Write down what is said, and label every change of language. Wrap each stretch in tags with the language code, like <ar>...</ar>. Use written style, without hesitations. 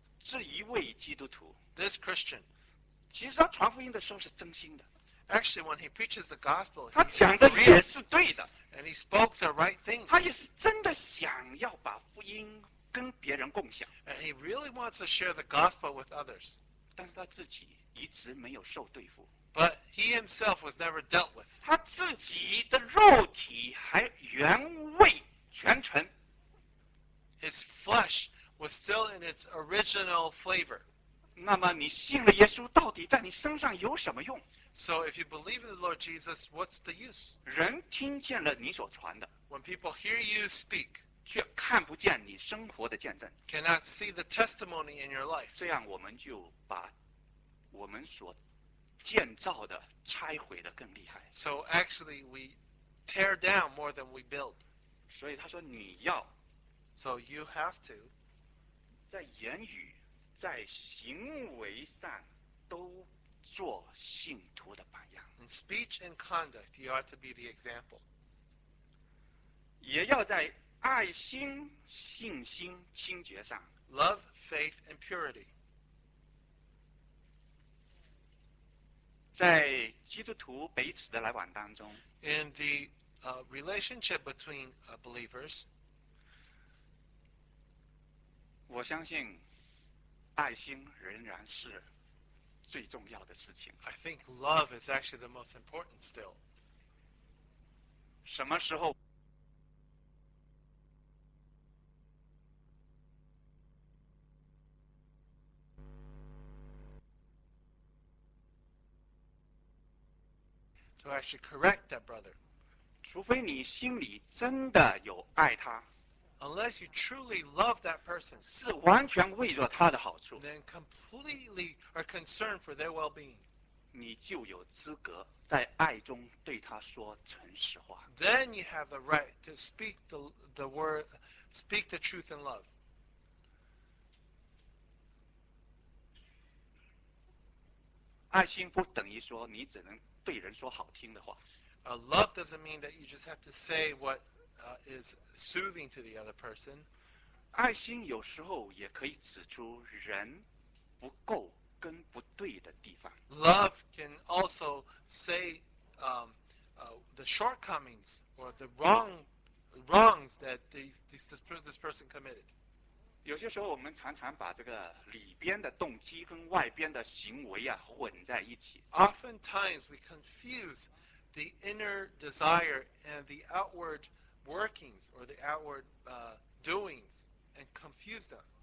<zh>这一位基督徒，</zh> <en>This Christian,</en> <zh>其实他传福音的时候是真心的。</zh> <en>Actually, when he preaches the gospel,</en> <zh>他讲的也是对的。</zh> <en>And he spoke the right things.</en> <zh>他也是真的想要把福音跟别人共享。</zh> <en>And he really wants to share the gospel with others.</en> <zh>但是他自己一直没有受对付。</zh> <en>But he himself was never dealt with.</en> <zh>他自己的肉体还原味全存。</zh> <en>His flesh was still in its original flavor.</en> <zh>那么你信了耶稣到底在你身上有什么用？</zh> <en>So if you believe in the Lord Jesus, what's the use?</en> <zh>人听见了你所传的，</zh> <en>When people hear you speak,</en> <zh>却看不见你生活的见证，</zh> <en>Cannot see the testimony in your life.</en> <zh>这样我们就把我们所建造的拆毁得更厉害。</zh> <en>So actually we tear down more than we build.</en> <zh>所以他说你要，</zh> <en>So you have to</en> <zh>在言语在行为上都做信徒的榜样。</zh> <en>In speech and conduct, you ought to be the example.</en> <zh>也要在爱心、信心、清洁上。</zh> <en>Love, faith, and purity.</en> <zh>在基督徒彼此的来往当中。</zh> <en>In the relationship between believers,</en> <zh>我相信爱心仍然是最重要的事情。</zh> <en>I think love is actually the most important still.</en> <zh>什么时候</zh> <en>？To actually correct that brother.</en> <zh>除非你心里真的有爱他。</zh> <en>Unless you truly love that person,</en> <zh>是完全为了他的好处，</zh> <en>then completely are concerned for their well-being.</en> <zh>你就有资格在爱中对他说诚实话。</zh> <en>Then you have the right to speak the word, speak the truth in love.</en> <zh>爱心不等于说你只能对人说好听的话。</zh> <en>Love doesn't mean that you just have to say what. Is soothing to the other person.</en> <zh>爱心有时候也可以指出人不够跟不对的地方。</zh> <en>Love can also say the shortcomings or the wrongs that this person committed.</en> <zh>有些时候我们常常把这个里边的动机跟外边的行为啊混在一起。</zh> <en>Oftentimes we confuse the inner desire and the outward. Workings or the outward doings and confuse them.</en>